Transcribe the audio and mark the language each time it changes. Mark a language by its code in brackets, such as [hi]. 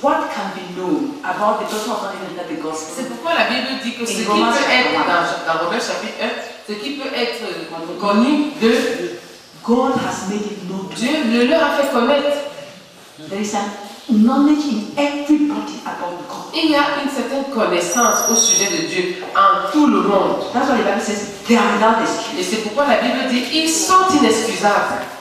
[en] What can be known about the doctrine of God in the gospel? [fr] C'est pourquoi la Bible dit que ce qui peut être dans Romains chapitre 1, ce qui peut être connu de [en] God has made it known. [fr] Dieu le leur a fait connaître. [en] There is a knowledge in everybody about God. [fr] Il y a une certaine connaissance au sujet de Dieu en tout le monde. [en] That's what the Bible says. They are without excuse. [fr] Et c'est pourquoi la Bible dit ils sont inexcusables.